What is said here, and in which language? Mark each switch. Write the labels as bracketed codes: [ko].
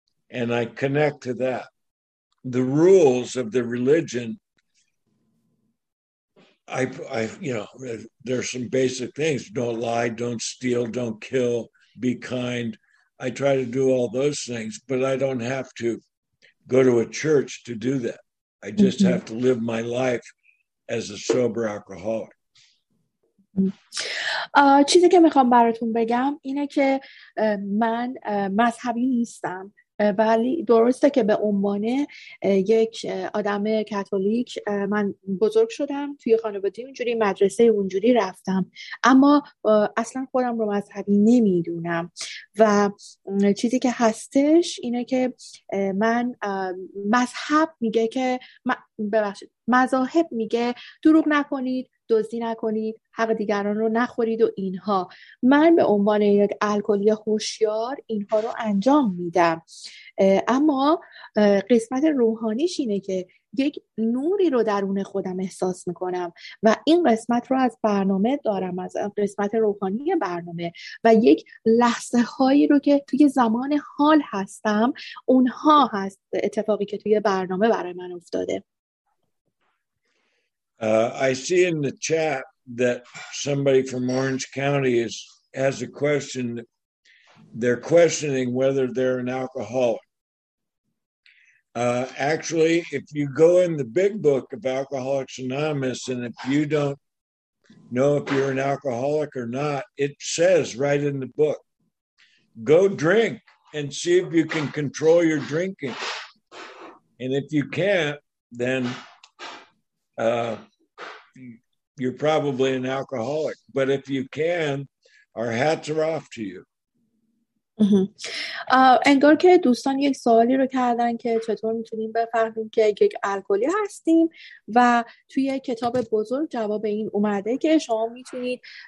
[en] And I connect to that. The rules of the religion, I you know, there's some basic things. Don't lie, don't steal, don't kill, be kind. I try to do all those things, but I don't have to go to a church to do that. I just mm-hmm. have to live my life as a sober alcoholic. [fa] چیزی که میخوام براتون بگم اینه که من مذهبی نیستم ولی درسته که به عنوان یک آدم کاتولیک من بزرگ شدم توی خانواده اونجوری، مدرسه اونجوری رفتم، اما اصلا خودم رو مذهبی نمیدونم. و چیزی که هستش اینه که من مذهب میگه که ببخشید، مذاهب میگه دروغ نکنید، دزدی نکنید، حق دیگران رو نخورید و اینها. من به عنوان یک الکلی هوشیار اینها رو انجام میدم، اما قسمت روحانیش اینه که یک نوری رو درون خودم احساس میکنم و این قسمت رو از برنامه دارم، از قسمت روحانی برنامه، و یک لحظه هایی رو که توی زمان حال هستم اونها هست، اتفاقی که توی برنامه برای من افتاده. [en] I see in the chat that somebody from Orange County has a question. They're questioning whether they're an alcoholic. Actually, if you go in the big book of Alcoholics Anonymous, and if you don't know if you're an alcoholic or not, it says right in the book, go drink and see if you can control your drinking. And if you can't, then... you're probably an alcoholic, but if you can, our hats are off to you. [fa] انگار که دوستان یک سوالی رو کردن که چطور میتونیم بفهمیم که یک الکلی هستیم، و توی کتاب بزرگ جواب این اومده که شما میتونید